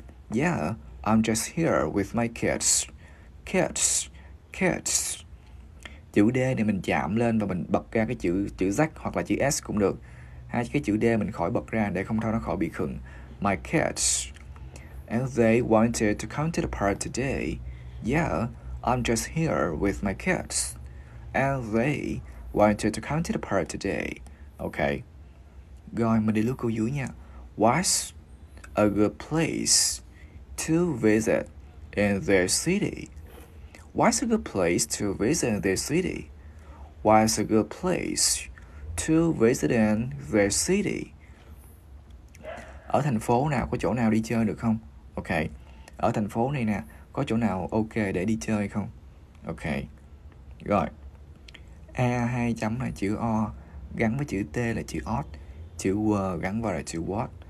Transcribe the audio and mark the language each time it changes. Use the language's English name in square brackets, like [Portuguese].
[English] Yeah, I'm just here with my kids. Kids, kids. [Vietnamese] Chữ D thì mình chạm lên và mình bật ra cái chữ chữ Z hoặc là chữ S cũng được. Hai cái chữ D mình khỏi bật ra để không thôi nó khỏi bị khựng. [English] My kids. And they wanted to come to the party today. Yeah, I'm just here with my kids. And they wanted to come to the party today. Okay. [Vietnamese] Rồi mình đi lướt câu dưới nha. [English] What's a good place to visit in their city? What's a good place to visit in their city? What's a good place to visit in their city? [Vietnamese] Ở thành phố nào có chỗ nào đi chơi được không? Okay. Ở thành phố này nè, có chỗ nào ok để đi chơi không? Okay. Rồi. A hai chấm là chữ O, gắn với chữ T là chữ Ot, chữ W gắn vào là chữ What.